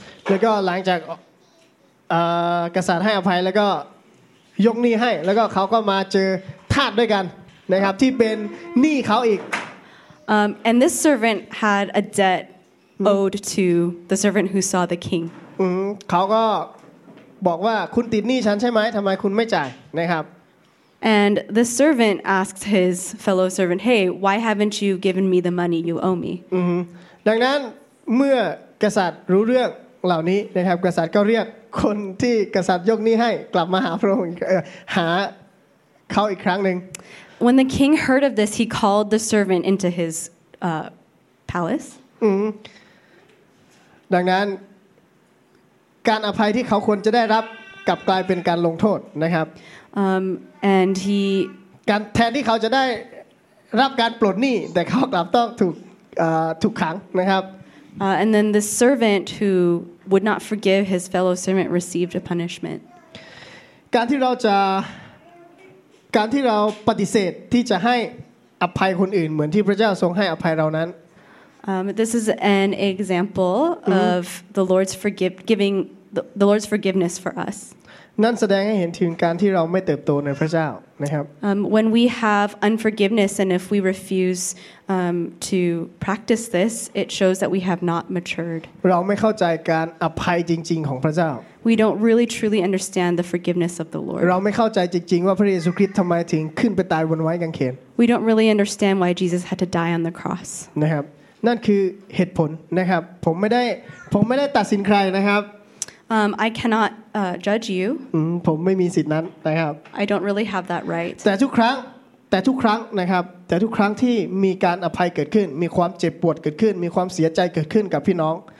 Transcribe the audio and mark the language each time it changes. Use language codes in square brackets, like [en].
[th] แล้วก็หลังจากกษัตริย์ให้อภัยแล้วก็ยกหนี้ให้แล้วก็เขาก็มาเจอทาสด้วยกันนะครับที่เป็นหนี้เขาอีก [en] And this servant had a debt owed to the servant who saw the king. [th] เขาก็บ บอกว่าคุณติดหนี้ฉันใช่ไหมทำไมคุณไม่จ่ายนะครับ [en] And the servant asked his fellow servant, "Hey, why haven't you given me the money you owe me?" [th] ดังนั้นเมื่อกษัตริย์รู้เรื่องเหล่านี้นะครับกษัตริย์ก็เรียกคนที่กษัตริย์ยกหนี้ให้กลับมาหาพระองค์หาเขาอีกครั้งนึง [en] When the king heard of this, he called the servant into his palace. [th] ดังนั้นการอภัยที่เขาควรจะได้รับกลับกลายเป็นการลงโทษนะครับ [en] And he [th] การแทนที่เขาจะได้รับการปลดหนี้แต่เขากลับต้องถูกขังนะครับ [en] And then the servant who would not forgive his fellow servant received a punishment. [th] การที่เราปฏิเสธที่จะให้อภัยคนอื่นเหมือนที่พระเจ้าทรงให้อภัยเรานั้น [en] This is an example of the Lord's forgiveness for us. [th] นั่นแสดงให้เห็นถึงการที่เราไม่เติบโตในพระเจ้านะครับ [en] When we have unforgiveness and if we refuse to practice this, it shows that we have not matured. [th] เราไม่เข้าใจการอภัยจริงๆของพระเจ้า [en] We don't really truly understand the forgiveness of the Lord. [th] เราไม่เข้าใจจริงๆว่าพระเยซูคริสต์ทำไมถึงขึ้นไปตายบนไม้กางเขน [en] We don't really understand why Jesus had to die on the cross. [th] นะครับนั่นคือเหตุผลนะครับผมไม่ได้ตัดสินใครนะครับ [en] I cannot judge you. [th] ผมไม่มีสิทธินั้นนะครับ [en] I don't really have that right. [th] แต่ทุกครั้งนะครับแต่ทุกครั้งที่มีการอภัยเกิดขึ้นมีความเจ็บปวดเกิดขึ้นมีความเสียใจเกิดขึ้นกับพี่น้อง